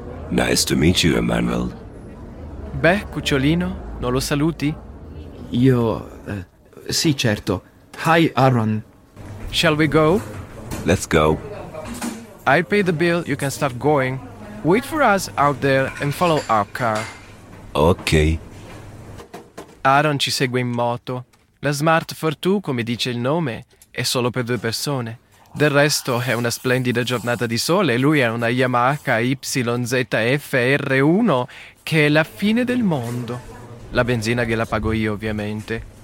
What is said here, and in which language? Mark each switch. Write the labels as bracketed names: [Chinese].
[English] Nice to meet you, Emmanuel. [Italian] Beh, cucciolino, non lo saluti? Io... sì, certo. [English] Hi, Aaron. Shall we go? Let's go. I'll pay the bill, you can start going. Wait for us out there and follow our car. Okay. [Italian] Aaron ci segue in moto. La Smart for Two, come dice il nome, è solo per due persone. Del resto è una splendida giornata di sole, lui ha una Yamaha YZF-R1 che è la fine del mondo. La benzina gliela pago io, ovviamente.